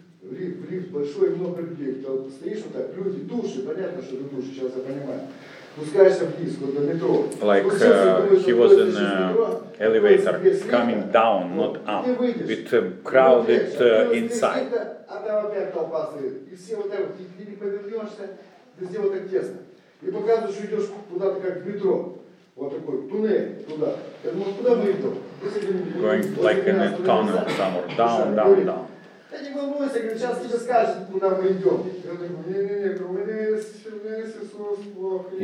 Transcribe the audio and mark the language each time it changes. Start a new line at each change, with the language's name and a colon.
Russian: Лифт большой, много людей. Ты стоишь вот так, люди, души, понятно, что ты души, сейчас я понимаю. Спускаешься вниз, вот до метро.
English: Like he was in an elevator, coming down, not up, with crowded inside.
Russian: А там опять толпа стоит. И все вот так вот, и ты не повернешься, везде вот так тесно. И показывают, что идешь куда-то как в метро. Вот такой туннель туда. Я думаю, куда мы идем?
English: Going like in a tunnel somewhere, down, down, down.
Russian: Я не волнуйся, сейчас тебе скажут, куда мы идем. Я говорю, не-не-не, говорю, мы Иисус Бог.